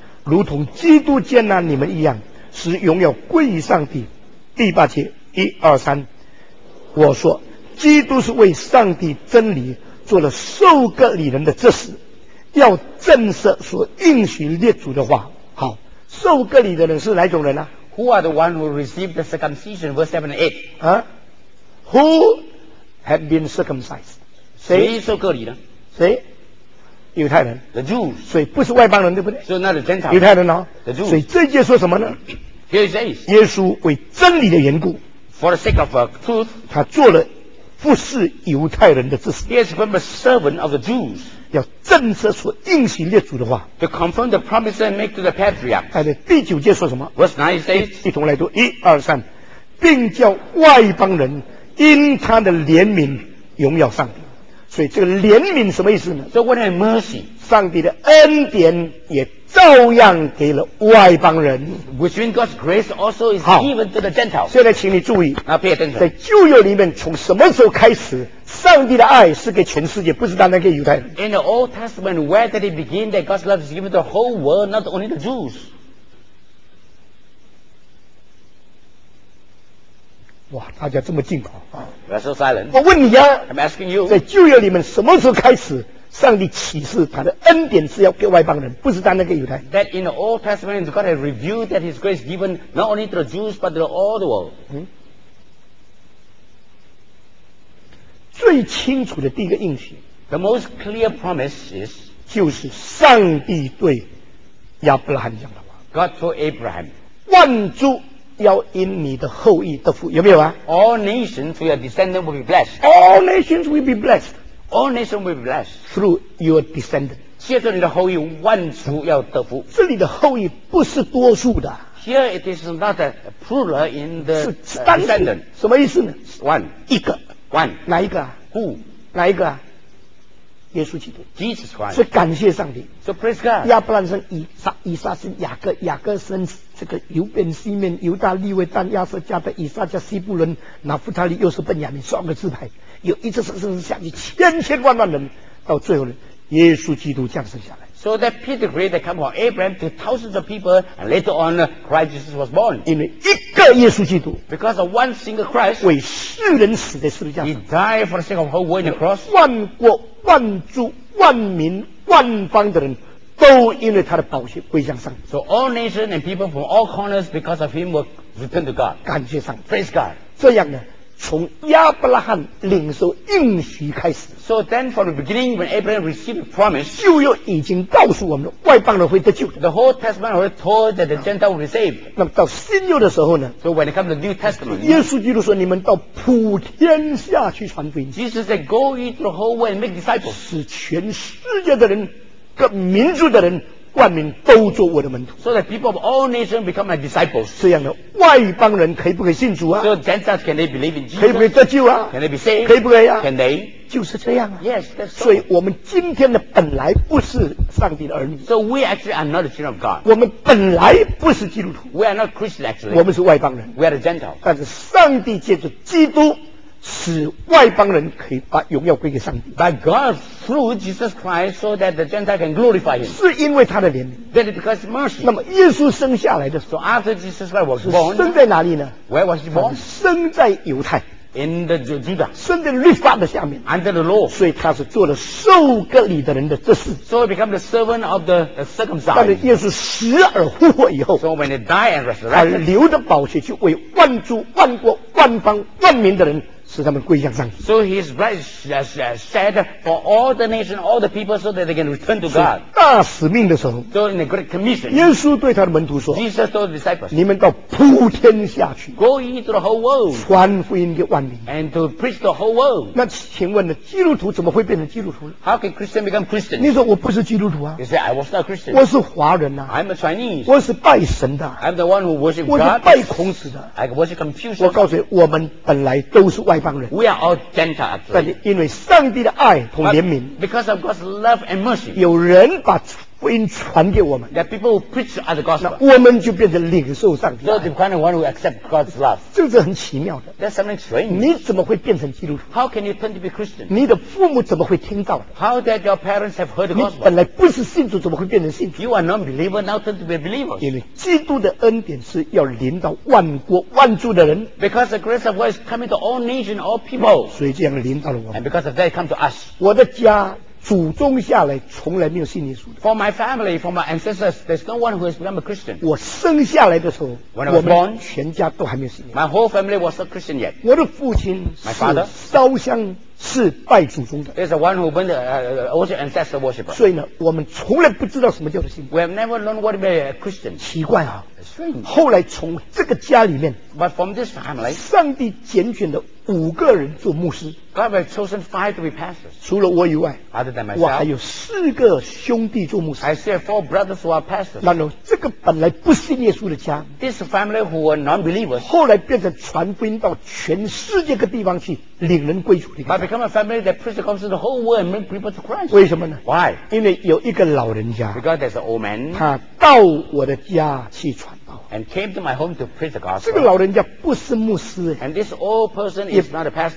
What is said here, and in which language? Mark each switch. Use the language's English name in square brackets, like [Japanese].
[Chinese] 如同基督接纳你们一样使荣耀归于上帝第八节一二三我说基督是为上帝真理做了受割礼人的执事要证实所应许列祖的话好受割礼的人是哪种人呢、啊、 [English] Who are the one who received the circumcision verse 7 and 8、啊、Who had been circumcised [Chinese] 谁受割礼呢谁犹太人 [English] The Jews [Chinese] 所以不是外邦人对不对 [English] So not the Gentiles [Chinese] 犹太人哦 [English] The Jews [Chinese] 所以这节说什么呢 [English] Here it says [Chinese] 耶稣为真理的缘故 [English] For the sake of truth [Chinese] 他做了服侍犹太人的执事 [English] He has become a servant of the Jews [Chinese] 要证实所应许列祖的话 [English] To confirm the promise that made to the patriarchs [Chinese] 在第九节说什么 [English] Verse 9 says [Chinese] 一同来读一二三并叫外邦人因他的怜悯荣耀上帝。所以这个怜悯什么意思呢？ [English] So what a mercy， [Chinese] 上帝的恩典也照样给了外邦人。 [English] Which means God's grace also is given to the Gentiles。 [Chinese] 现在请你注意， [English] pay attention， [Chinese] 在旧约里面从什么时候开始上帝的爱是给全世界，不是单单给犹太人。 [English] In the Old Testament where did it begin that God's love is given to the whole world not only the Jews？ [Chinese] 哇，大家这么静啊！ [English] We're so silent. [Chinese] 我问你啊， [English] I'm asking you， [Chinese] 在旧约里面什么时候开始，上帝启示他的恩典是要给外邦人，不是单单给犹太人 [English] ？That in the Old Testament, God has revealed that His grace given not only to the Jews but to all the world.、 [Chinese] 最清楚的第一个应许 [English] ，The most clear promise is， [Chinese] 就是上帝对亚伯拉罕讲的话。 [English] God told Abraham， [Chinese] 万族。要因你的后裔得福，有没有啊？ [English] All nations through your descendant will be blessed. All nations will be blessed. All nations will be blessed through your descendant. [Chinese] 借着你的后裔，万族要得福。这里的后裔不是多数的。 [English] Here it is not a plural in the descendant. [Chinese] 什么意思呢？ [English] One [Chinese] 一个。 [English] One [Chinese] 哪一个啊？ [English] Who [Chinese] 哪一个啊？耶稣基督。 [English] Jesus Christ. [Chinese] 所以感谢上帝。 [English] So praise God. [Chinese] 亚伯兰生以撒生雅各，雅各生。这个犹便西面犹大利未但亚瑟家的以撒加西布伦拿弗他利又是本雅明双个字牌，有一次生生下去千千万万人，到最后呢耶稣基督降生下来。 [English] So that pedigree that come from Abraham to thousands of people and later on Christ Jesus was born， [Chinese] 因为一个耶稣基督， [English] because of one single Christ， [Chinese] 为世人死在十字架上， [English] He died for the sake of whole world in the cross， [Chinese] 万国万族万民万邦的人都因为他的宝血归向上帝。 [English] So all nations and people from all corners because of him will return to God， [Chinese] 感谢上帝。 [English] Praise God。 [Chinese] 这样呢从亚伯拉罕领受应许开始， [English] So then from the beginning when Abraham received the promise， [Chinese] 旧约已经告诉我们外邦人会得救。 [English] The whole testament already told that the Gentile will be saved。 [Chinese] 那么到新约的时候呢， [English] So when it comes to the New Testament， [Chinese] 耶稣基督说你们到普天下去传福音。 [English] Jesus said go into the whole world and make disciples， [Chinese] 使全世界的人各民族的人万民都做我的门徒。 [English] So that people of all nations become my disciples， [Chinese] 这样的外邦人可以不可以信主啊？ [English] So Gentiles can they believe in Jesus？ [Chinese] 可以不可以得救啊？ [English] Can they be saved？ [Chinese] 可以不可以啊？ [English] Can they？ [Chinese] 就是这样啊。 [English] Yes, that's so。 [Chinese] 所以我们今天的本来不是上帝的儿女。 [English] So we actually are not the children of God。 [Chinese] 我们本来不是基督徒。 [English] We are not Christian actually。 [Chinese] 我们是外邦人。 [English] We are the Gentiles。 [Chinese] 但是上帝借着基督使外邦人可以把荣耀归给上帝。 [English] By God through Jesus Christ, so that the Gentile can glorify Him. [Chinese] 是因为他的怜悯。 [English] That is because mercy. [Chinese] 那么耶稣生下来的时候 [English] ，So after Jesus Christ was born, [Chinese] 生在哪里呢 [English] ？Where was He born? [Chinese] 生在犹太。 [English] In the Judah. [Chinese] 生在律法的下面。 [English] Under the law. [Chinese] 所以他是做了受割礼的人的执事。 [English] So he became the servant of the circumcised. [Chinese] 但是耶稣死而复活以后 [English] ，So when he died and resurrected, [Chinese] 他流着宝血去为万族、万国、万邦、万民的人。使他们归向上帝。 [English] So his blood is shed for all the nation, all the people, so that they can return to God. [Chinese] 大使命的时候 [English] ，So in the Great Commission, [Chinese] 耶稣对他的门徒说 [English] ，Jesus told the disciples, [Chinese] 你们到普天下去 [English] ，Go into the whole world, [Chinese] 传福音给万民 [English] ，And to preach the whole world. [Chinese] 那请问呢，基督徒怎么会变成基督徒呢 [English] ？How can Christian become Christian? [Chinese] 你说我不是基督徒啊 [English] ？You say I was not Christian. [Chinese] 我是华人呐、 [English] 啊、，I'm a Chinese. [Chinese] 我是拜神的 [English] ，I'm the one who worship God. [Chinese] 我是拜孔子的 [English] ，I worship Confucius. [Chinese] 我告诉你，我们本来都是外。 [English] We are all Gentiles. [Chinese] 但因为上帝的爱和怜悯 [English] ，because of God's love and mercy， [Chinese] 有人把福音传给我们 [English] ，that people who preach at the gospel， [Chinese] 那我们就变成领受上帝。 [English] So the kind of one who accept God's love， [Chinese] 这是很奇妙的。 [English] That's something strange. [Chinese] 你怎么会变成基督徒 [English] ？How can you turn to be Christian？ [Chinese] 你的父母怎么会听到的 [English] ？How did your parents have heard the gospel？ [Chinese] 你本来不是信主，怎么会变成信主 [English] ？You are non-believer now turn to be a believer. [Chinese] 因为基督的恩典是要临到万国万族的人。 [English] Because the grace of God is coming to all nations, all people. [Chinese] 所以这样临到了我们。 [English] And because of that, come to us. [Chinese] 我的家。祖宗下来从来没有信耶稣的。 [English] For my family, for my ancestors, there's no one who has become a Christian. [Chinese] 我生下来的时候 [English] ，When I was born, [Chinese] 全家都还没有信耶稣。 [English] My whole family was not Christian yet. [Chinese] 我的父亲 [English] ，My father, [Chinese] 烧香是拜祖宗的。 [English] There's one who burned also ancestor worshipper. [Chinese] 所以呢，我们从来不知道什么叫做信徒。 [English] We have never learned what means a Christian. [Chinese] 奇怪啊。 [English] Strange. [Chinese] 后来从这个家里面 [English] ，But from this family, [Chinese] 上帝拣选了五个人做牧师。 [English] God has chosen five to be pastors. [Chinese] 除了我以外 [English] ，Other than myself, [Chinese] 我还有四个兄弟做牧师。 [English] I see four brothers who are pastors. [Chinese] 那么这个本来不信耶稣的家 [English] ，This family who were non-believers, [Chinese] 后来变成传福音到全世界各地方去领人归主的。 [English] But become a family that preaches the gospel to the whole world and bring people to Christ. [Chinese] 为什么呢 [English] ？Why? [Chinese] 因为有一个老人家 [English] ，Because there's an old man. [Chinese] 他到我的家去传。 [English] And came to my home to preach the gospel. [Chinese] 这个老人家不是牧师。 [English] And this old person is not a pastor.